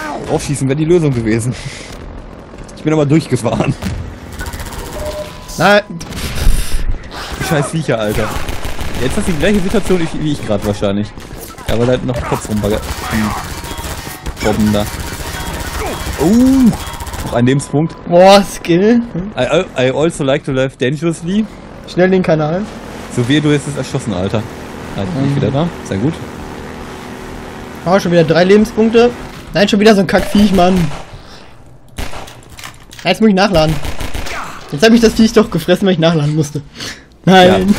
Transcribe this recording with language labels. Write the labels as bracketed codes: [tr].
[de] Aufschießen wäre die Lösung gewesen. Ich bin aber durchgefahren. Nein. Scheiß Viecher, Alter. Jetzt hast du die gleiche Situation wie ich gerade wahrscheinlich. Aber da hat noch Kopf rumbagger. Bobben da. Noch ein Lebenspunkt. Boah, Skill. [en] I also like to live dangerously. [de] Schnell den Kanal. So wie du jetzt ist erschossen, Alter. Alter, bin ich wieder da. Sehr gut. Oh, schon wieder 3 Lebenspunkte. Nein, schon wieder so ein Kackviech, Mann. Jetzt muss ich nachladen. Jetzt hat mich das Viech doch gefressen, weil ich nachladen musste. Nein. Ja,